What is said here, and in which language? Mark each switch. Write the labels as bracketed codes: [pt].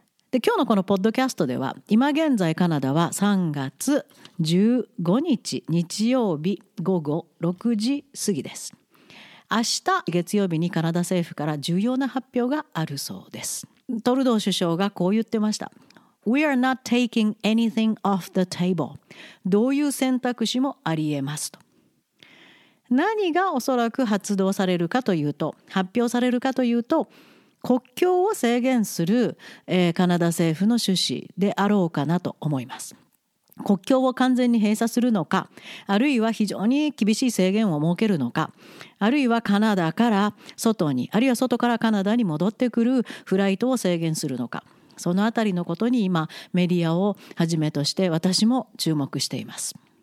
[ja] で、今日のこのポッドキャストでは、今現在カナダは3月15日日曜日午後6時過ぎです。明日月曜日にカナダ政府から重要な発表があるそうです。トルドー首相がこう言ってました。 [en] We are not taking anything off the table. [ja] どういう選択肢もありえますと。何がおそらく発動されるかというと、発表されるかというと、国境を制限する、カナダ政府の趣旨であろうかなと思います。国境を完全に閉鎖するのか、あるいは非常に厳しい制限を設けるのか、あるいはカナダから外に、あるいは外からカナダに戻ってくるフライトを制限するのか、そのあたりのことに今メディアをはじめとして私も注目しています。